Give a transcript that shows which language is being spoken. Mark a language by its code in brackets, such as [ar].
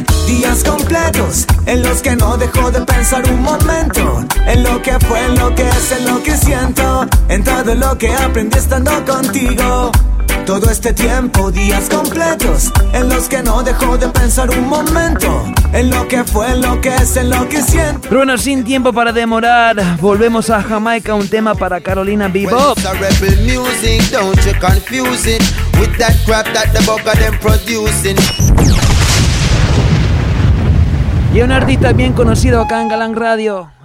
[es] Días completos en los que no dejo de pensar un momento en lo que fue, en lo que es, en lo que siento, en todo lo que aprendí estando contigo. Todo este tiempo, días completos en los que no dejo de pensar un momento en lo que fue, en lo que es, en lo que siento. Pero bueno, sin tiempo para demorar, volvemos a Jamaica, un tema para Carolina Bebop. [en] When it's a rebel music, don't you confuse it with that crap that the bugger them producing. [es] Y un artista bien conocido acá en Galán Radio.